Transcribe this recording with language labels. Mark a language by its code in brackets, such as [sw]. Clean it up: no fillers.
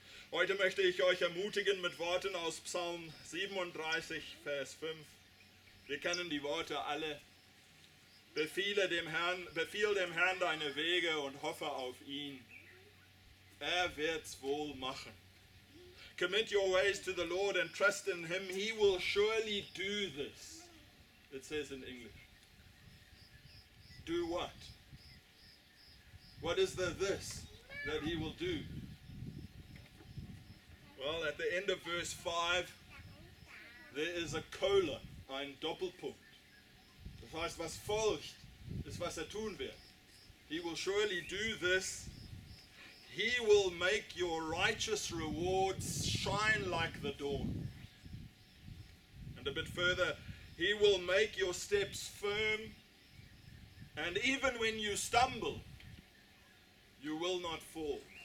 [de] Heute möchte ich euch ermutigen mit Worten aus Psalm 37, Vers 5. Wir kennen die Worte alle. Befiehl dem Herrn deine Wege und hoffe auf ihn. Er wird's wohl machen. [en] Commit your ways to the Lord and trust in him. He will surely do this. It says in English. Do what? What is the this that he will do? Well, at the end of verse 5, there is a colon, [de] ein Doppelpunkt. Das heißt, was folgt, ist, was tun wird. [en] He will surely do this. He will make your righteous rewards shine like the dawn. And a bit further, he will make your steps firm. And even when you stumble, you will not fall.